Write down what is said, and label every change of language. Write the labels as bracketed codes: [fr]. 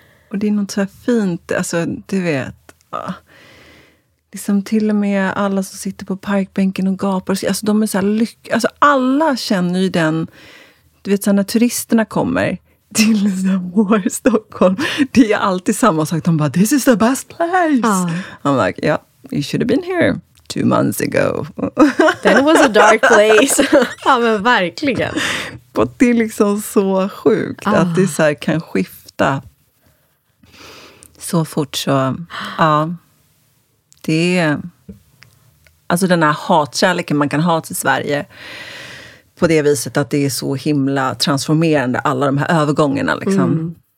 [sv] Och det är något så här fint, alltså du vet... Liksom till och med alla som sitter på parkbänken och gapar. Alltså de är så här alltså alla känner ju den. Du vet så när turisterna kommer till vår Stockholm. Det är alltid samma sak. De bara, [en] this is the best place. Ah. I'm like, yeah, you should have been here 2 months ago. That was a dark place. [sv] Ja, men verkligen. Och det är liksom så sjukt att det så här kan skifta. Så fort så, ja. Det är, alltså den här hatkärleken man kan ha till Sverige på det viset att det är så himla transformerande, alla de här övergångarna liksom.